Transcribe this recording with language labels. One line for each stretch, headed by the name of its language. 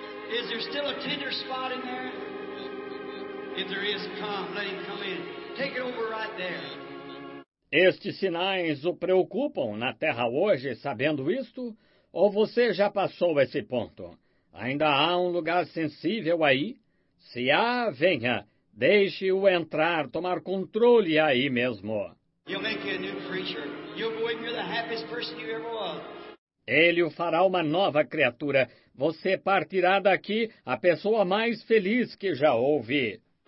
English: Is there still a tender spot in there? If there is, come, let him come in. Take it over right there.
Portuguese: Estes sinais o preocupam na Terra hoje, sabendo isto? Ou você já passou esse ponto? Ainda há um lugar sensível aí? Se há, venha. Deixe-o entrar, tomar controle aí mesmo.
English: You'll make a new creature. You'll go in, you're the happiest person you ever was.
Portuguese: Ele o fará uma nova criatura. Você partirá daqui a pessoa mais feliz que já houve.